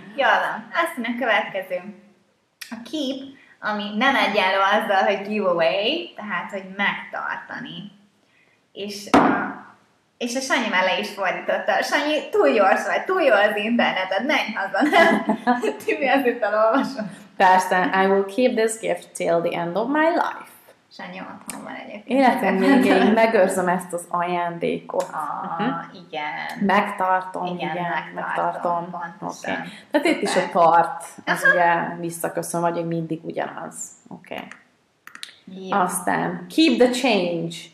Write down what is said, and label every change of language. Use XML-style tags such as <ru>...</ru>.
<hu>Jól van, azt mondjuk következő. A keep, ami nem egyenlő azzal, hogy give away, tehát, hogy megtartani. És a Sanyi már le is fordította. Sanyi, túl gyors vagy, túl jó az interneted, menj haza, nem? Tibi, az itt elolvasom. Persze,</hu> <en>I will keep this gift till the end of my life.</en> <hu>Sanyi, otthon van egyébként. Életem még én megőrzöm ezt az ajándékot. Igen. Megtartom. Okay. Tehát itt is a tart, az ugye visszaköszön, vagy mindig ugyanaz. Oké. Okay. Aztán,</hu> <en>keep the change.</en>